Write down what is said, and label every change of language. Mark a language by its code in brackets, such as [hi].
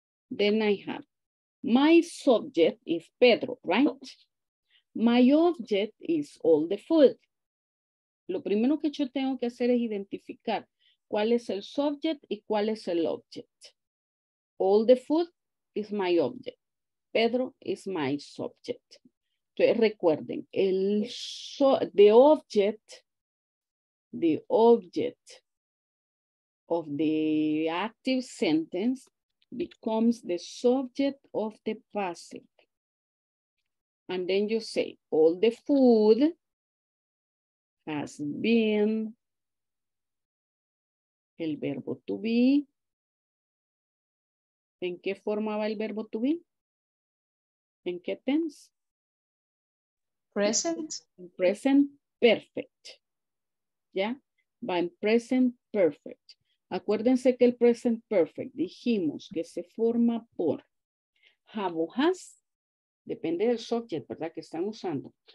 [en] Then I have, my subject is Pedro, right? My object is all the food. [es] Lo primero que yo tengo que hacer es identificar cuál es el subject y cuál es el object. [en] All the food is my object. Pedro is my subject. [es] Entonces recuerden, el [en] the object of the active sentence becomes the subject of the passive. And then you say, all the food has been, [es] el verbo [en] to be. [es] ¿En qué forma va el verbo to be? ¿En qué tense? [en] Present. In present perfect. [es] ¿Ya? Va en present perfect. Acuérdense que el present perfect dijimos que se forma por have o has, depende del subject, ¿verdad? Que están usando.